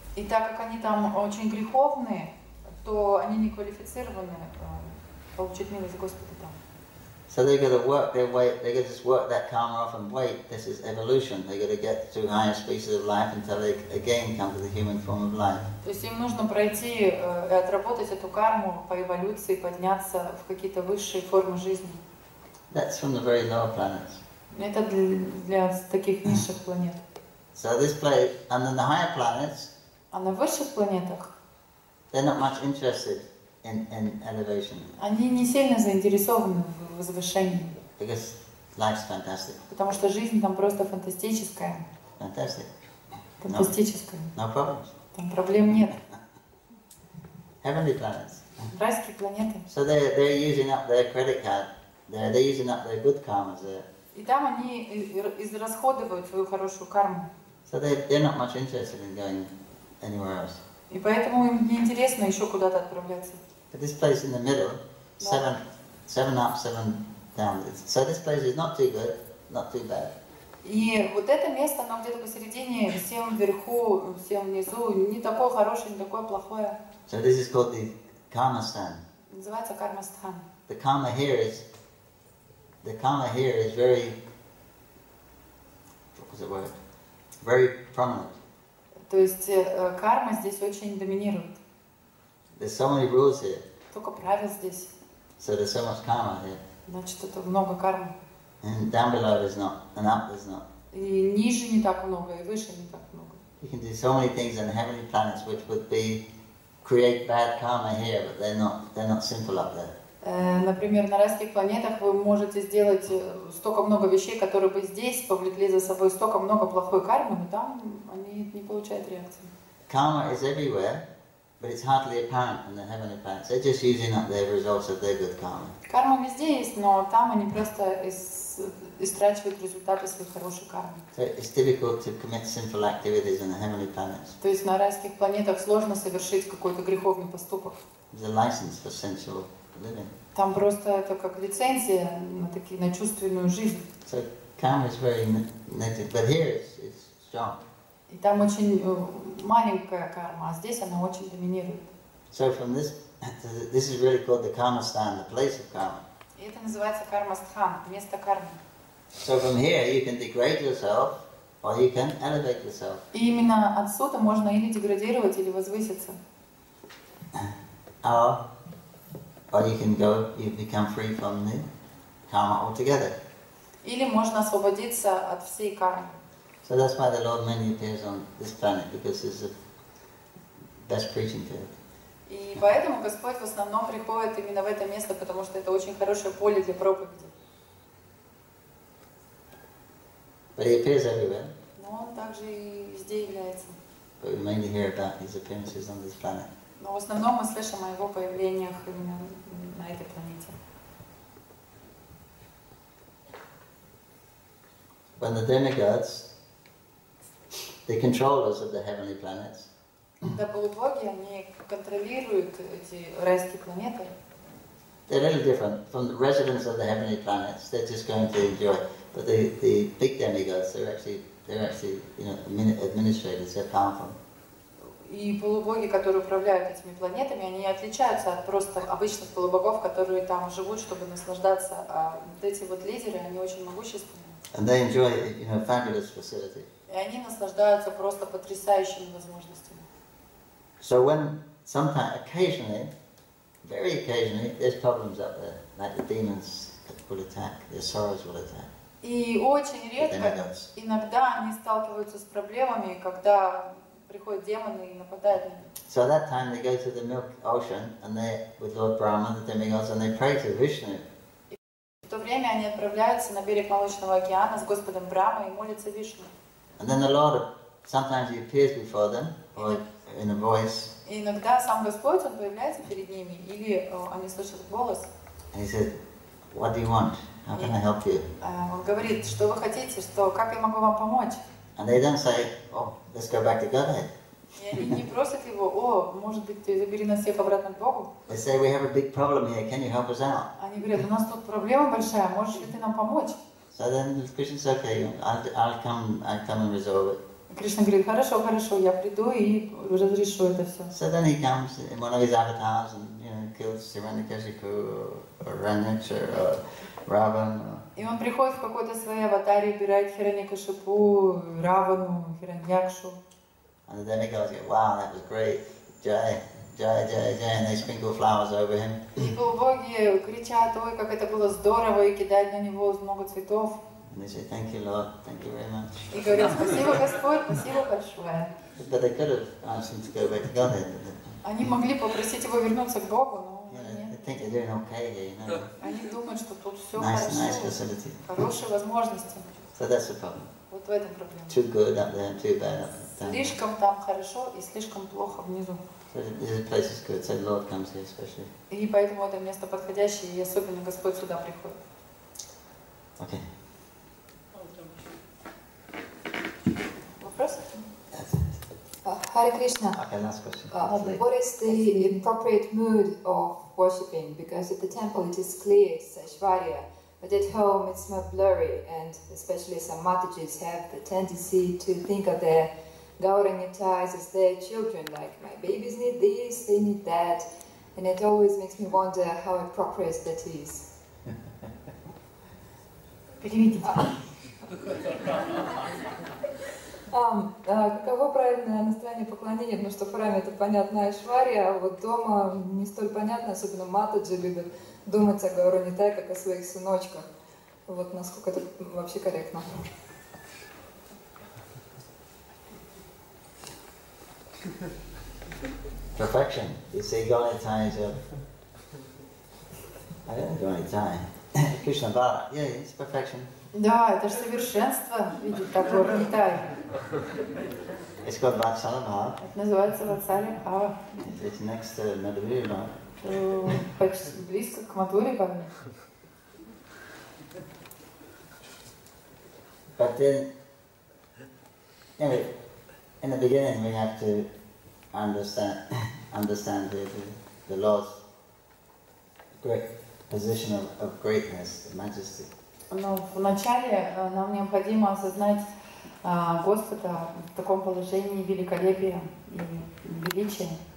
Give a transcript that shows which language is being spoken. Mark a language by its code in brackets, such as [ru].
[ru] И так как они там очень греховные, то они не квалифицированы получить милость Господа там. [en] So they gotta work their way, they gotta just work that karma off and wait. This is evolution. They gotta get to higher species of life until they again come to the human form of life. [ru] То есть им нужно пройти и отработать эту карму по эволюции, подняться в какие-то высшие формы жизни. [en] That's from the very lower planets. [ru] Это для таких низших планет. [en] So this place, and then the higher planets. [ru] А на высших планетах? [en] They're not much interested in elevation. [ru] Они не сильно заинтересованы в возвышении. [en] Because life's fantastic. [ru] Потому что жизнь там просто фантастическая. [en] Fantastic. [ru] Фантастическая. [en] No problems. [ru] Там проблем нет. [en] Heavenly planets. [ru] Райские планеты. [en] So they're using up their credit card. They're using up their good karma there. [ru] И там они израсходуют свою хорошую карму. [en] So they're not much interested in going anywhere else. [ru] И поэтому им не интересно еще куда-то отправляться. [en] But this place in the middle, yeah. seven up, seven down. So this place is not too good, not too bad. [ru] И вот это место, оно где-то посередине, всем вверху, всем внизу, не такое хорошее, не такое плохое. [en] So this is called the karma stan. [ru] Называется карма стан. [en] The karma here is very, what was the word? Very prominent. [ru] То есть карма здесь очень доминирует. [en] There's so many rules here. [ru] Только правил здесь. [en] So there's so much karma here. [ru] Значит, это много кармы. [en] And down below there's not, and up there's not. [ru] И ниже не так много, и выше не так много. [en] You can do so many things on the heavenly planets, which would be create bad karma here, but they're not sinful up there. [ru] Например, на райских планетах вы можете сделать столько много вещей, которые бы здесь повлекли за собой столько много плохой кармы, но там они не получают реакции. [en] Karma is everywhere, but it's hardly apparent in the heavenly planets. They're just using up their results of their good karma. [ru] Карма везде есть, но там они просто истрачивают результаты своей хорошей кармы. [en] So it's difficult to commit sinful activities in the heavenly planets. [ru] То есть на райских планетах сложно совершить какой-то греховный поступок. [en] The license for sensual living. [ru] Там просто это как лицензия на такие на чувственную жизнь. [en] So karma is very negative, but here it's strong. [ru] И там очень маленькая карма, а здесь она очень доминирует. [en] So from this is really called the karma stan, the place of karma. [ru] И это называется карма стхан, место кармы. [en] So from here you can degrade yourself, or you can elevate yourself. [ru] И именно отсюда можно или деградировать, или возвыситься. [en] Or you can go, you become free from the karma altogether. [ru] Или можно освободиться от всей кармы. [en] So that's why the Lord mainly appears on this planet, because it's the best preaching field. [ru] И поэтому Господь в основном приходит именно в это место, потому что это очень хорошее поле для проповеди. [en] But he appears everywhere. [ru] Но он также и везде является. [en] But we mainly hear about his appearances on this planet. [ru] Но в основном мы слышим о его появлениях именно на этой планете. [en] When the demigods, the controllers of the heavenly planets. [ru] Когда полубоги, они контролируют эти райские планеты. [en] They're a little different from the residents of the heavenly planets. They're just going to enjoy, but the big demigods, they're actually administrators. They're powerful. [ru] И полубоги, которые управляют этими планетами, они отличаются от просто обычных полубогов, которые там живут, чтобы наслаждаться. А вот эти вот лидеры, они очень могущественные. [en] And they enjoy, you know, fabulous facility. [ru] И они наслаждаются просто потрясающими возможностями. [en] So when sometimes, occasionally, very occasionally, there's problems up there, like the demons will attack, the sorrows will attack. [ru] И очень редко, иногда они сталкиваются с проблемами, когда приходят демоны и нападают на них. [en] So at that time they go to the milk ocean and they with Lord Brahma and the demigods and they pray to Vishnu. [ru] В то время они отправляются на берег молочного океана с Господом Брахмой и молятся Вишну. [en] And then the Lord sometimes he appears before them or in a voice. [ru] И иногда сам Господь он появляется перед ними или они слышат голос. [en] And he said, "What do you want? How can I help you?" [ru] Он говорит, что вы хотите, что как я могу вам помочь? [en] And they then say, "Oh, let's go back to Godhead." [ru] не просят его, о, может быть, ты забери нас всех обратно к Богу. [en] They say, we have a big problem here, can you help us out? [ru] Они говорят, у нас тут проблема большая, можешь ли ты нам помочь? [en] So then Krishna says, okay, I'll come and resolve it. [ru] Кришна говорит, хорошо, хорошо, я приду и разрешу это все. [en] So then he comes in one of his avatars and, you know, kills Hiranyakashipu or Ranach or Ravan. [ru] И он приходит в какой-то своей аватаре, убирает Хираньякашипу, Равану, Хираньякшу. [en] And the demigods go, wow, that was great, Jai, and they sprinkle flowers over him. [ru] И полубоги кричат, ой, как это было здорово, и кидают на него много цветов. [en] And they say, thank you, Lord, thank you very much. [ru] И говорят, спасибо, Господь, спасибо большое. [en] But they could have asked him to go back to Godhead. [ru] Они могли попросить его вернуться к Богу, но нет. [en] They think they're doing okay here, you know. [ru] Они думают, что тут все [en] nice, [ru] хорошо. [en] Nice facility. [ru] Хорошие возможности. [en] So that's the problem. [ru] Вот в этом проблема. [en] Too good up there, too bad up there. [ru] Слишком там хорошо и слишком плохо внизу. [en] So place is good, so the Lord comes here especially. [ru] И поэтому это место подходящее, и особенно Господь сюда приходит. [en] Okay. Hare Krishna. Okay, last question. What is the appropriate mood of worshipping? Because at the temple it is clear, Saishwarya, but at home it's more blurry, and especially some Matajis have the tendency to think of their Gauranga ties as their children, like my babies need this, they need that, and it always makes me wonder how appropriate that is. [ru] каково правильное настроение поклонения, потому что в храме это понятно, Айшвария, а вот дома не столь понятно, особенно Матаджи любят думать о Гауране Тай, как о своих сыночках. Вот насколько это вообще корректно. [en] Perfection. You see, Gauranga Tai is your... I don't know Gauranga Tai. Krishna Bhara. Yeah, it's perfection. [ru] Да, это же совершенство, видеть как Гауранга Тай. [en] It's called Vatsala Bhava. [ru] Это называется Vatsala Bhava. [en] It's next to Madhuri Bhava. [ru] Почти близко к Мадхури Бхаве. [en] But then, anyway, in the beginning we have to understand the Lord's great position of greatness, of majesty. [ru] Но вначале нам необходимо осознать Господа в таком положении великолепия и величия.